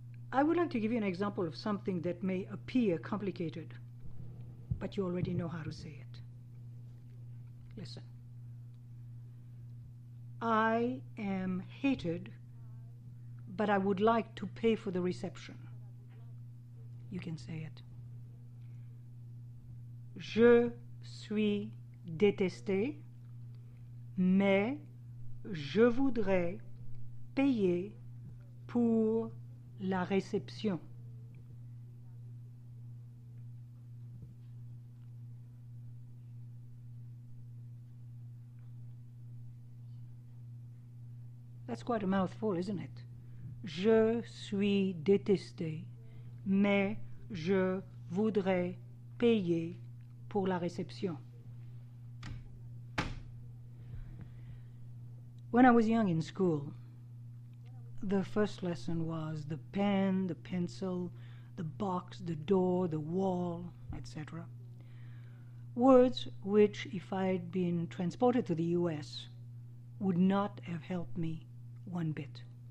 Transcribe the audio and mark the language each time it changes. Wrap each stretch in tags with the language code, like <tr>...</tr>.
<en>I would like to give you an example of something that may appear complicated, but you already know how to say it. Listen. I am hated, but I would like to pay for the reception. You can say it.</en> <fr>Je suis détesté, mais je voudrais payer pour la réception.</fr> <en>That's quite a mouthful, isn't it?</en> <fr>Je suis détesté, mais je voudrais payer pour la réception.</fr> <en>When I was young in school, the first lesson was the pen, the pencil, the box, the door, the wall, etc. Words which, if I'd been transported to the US, would not have helped me one bit.</en>